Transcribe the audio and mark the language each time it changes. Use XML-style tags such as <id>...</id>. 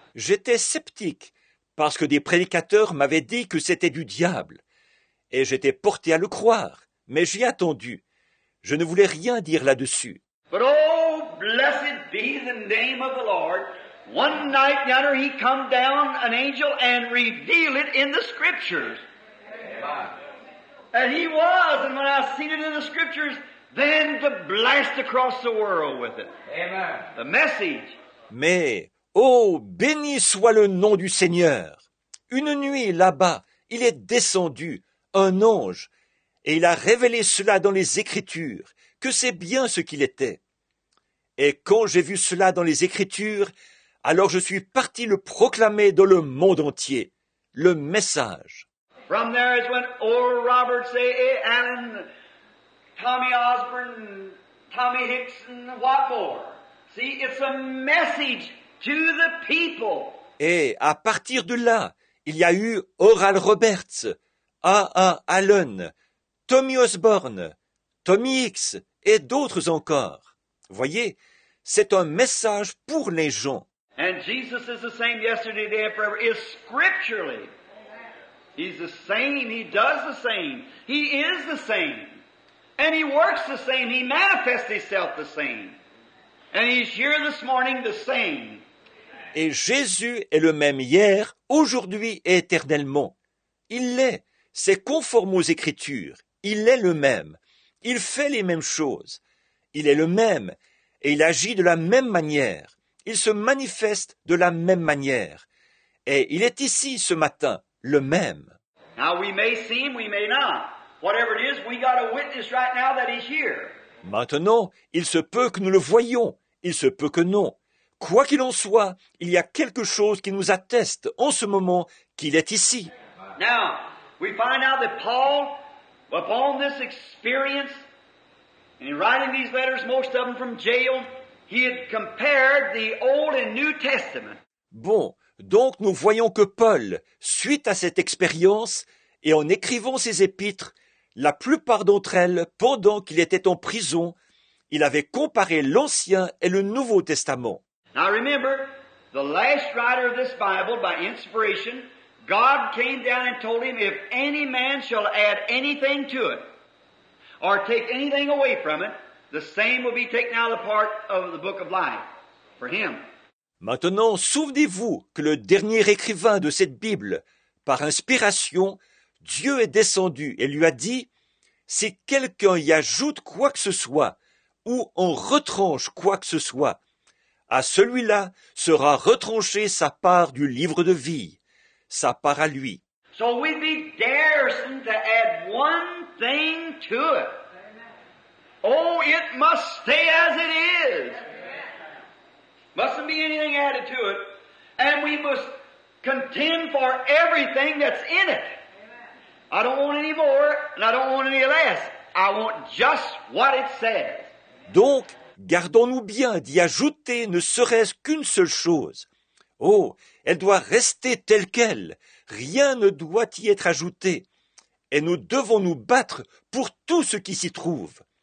<fr>J'étais sceptique parce que des prédicateurs m'avaient dit que c'était du diable. Et j'étais porté à le croire, mais j'y ai attendu. Je ne voulais rien dire là-dessus.</fr> <en>But oh, blessed be the name of the Lord. One night and another he come down an angel and revealed it in the scriptures. And he was, and when I seen it in the scriptures, then the blast across the world with it. Amen. The message.</en> <fr>Mais, oh, béni soit le nom du Seigneur. Une nuit là-bas, il est descendu, un ange, et il a révélé cela dans les Écritures, que c'est bien ce qu'il était. Et quand j'ai vu cela dans les Écritures, alors je suis parti le proclamer dans le monde entier, le message.</fr> <en>From there is when Oral Roberts, A.A. Allen, Tommy Osborne, Tommy Hickson, what more? See, it's a message to the people.</en> <fr>Et à partir de là, il y a eu Oral Roberts, A.A. Allen, Tommy Osborne, Tommy Hicks et d'autres encore. Voyez, c'est un message pour les gens.</fr> <en>And Jesus is the same yesterday, today, and forever. Is scripturally. He's the same. He does the same. He is the same. And he works the same. He manifests himself the same. And he's here this morning the same.</en> <fr>Et Jésus est le même hier, aujourd'hui et éternellement. Il l'est. C'est conforme aux Écritures. Il est le même. Il fait les mêmes choses. Il est le même. Et il agit de la même manière. Il se manifeste de la même manière. Et il est ici ce matin, le même.</fr> <en>Now we may see him, we may not. Whatever it is, we got a witness right now that he's here.</en> <fr>Maintenant, il se peut que nous le voyons, il se peut que non. Quoi qu'il en soit, il y a quelque chose qui nous atteste en ce moment qu'il est ici.</fr> <en>Now, we find out that Paul, upon this experience, in writing these letters, most of them from jail, he had compared the Old and New Testament.</en> <fr>Bon, donc nous voyons que Paul, suite à cette expérience, et en écrivant ses épîtres, la plupart d'entre elles, pendant qu'il était en prison, il avait comparé l'Ancien et le Nouveau Testament.</fr> <en>Now remember, the last writer of this Bible, by inspiration, God came down and told him, if any man shall add anything to it, or take anything away from it, the same will be taken out of the part of the book of life for him.</en> <fr>Maintenant, souvenez-vous que le dernier écrivain de cette Bible, par inspiration, Dieu est descendu et lui a dit, « Si quelqu'un y ajoute quoi que ce soit, ou en retranche quoi que ce soit, à celui-là sera retranchée sa part du livre de vie, sa part à lui. »</fr> <en>So we'd be daring to add one thing to it. Oh, it must stay as it is. Mustn't be anything added to it. And we must contend for everything that's in it. I don't want any more, and I don't want any less. I want just what it says.</en> <fr>Donc, gardons-nous bien d'y ajouter ne serait-ce qu'une seule chose. Oh, elle doit rester telle qu'elle. Rien ne doit y être ajouté. Et nous devons nous battre pour tout ce qui s'y trouve.</fr>